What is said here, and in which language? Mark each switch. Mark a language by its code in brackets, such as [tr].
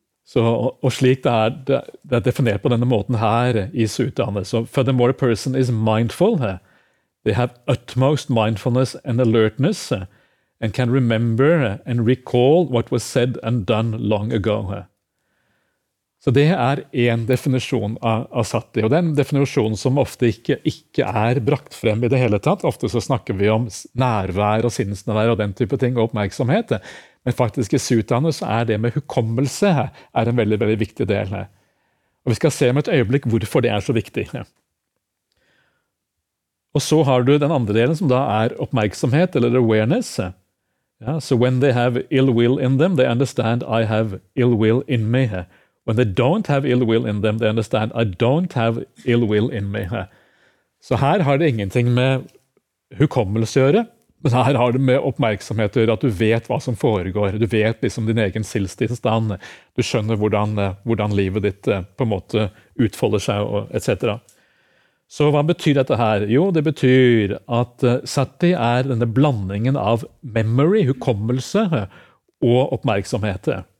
[no] Så, og slik det er definert på denne måten her i sutaene. [en] Så furthermore, a person is mindful. They have utmost mindfulness and alertness and can remember and recall what was said and done long ago. [no] Så det er en definisjon av sati, og det er en definisjon som ofte ikke er brakt frem i det hele tatt. Ofte så snakker vi om nærvær og sinnsnærvær og den type ting og oppmerksomhet. Men faktisk i sutaene så er det med hukommelse er en veldig, veldig viktig del. Og vi skal se om et øyeblikk hvorfor det er så viktig. Og så har du den andre delen som da er oppmerksomhet eller awareness. [en] Yeah, so when they have ill will in them, they understand I have ill will in me. When they don't have ill will in them, they understand I don't have ill will in me. [no] Så her har det ingenting med hukommelse å gjøre, men her har det med oppmerksomhet å gjøre, at du vet hva som foregår. Du vet liksom din egen sinnstilstand. Du skjønner hvordan livet ditt på en måte utfolder seg, etc. Så hva betyr dette her? Jo, det betyr at sati er denne blandingen av memory, hukommelse, og oppmerksomhet.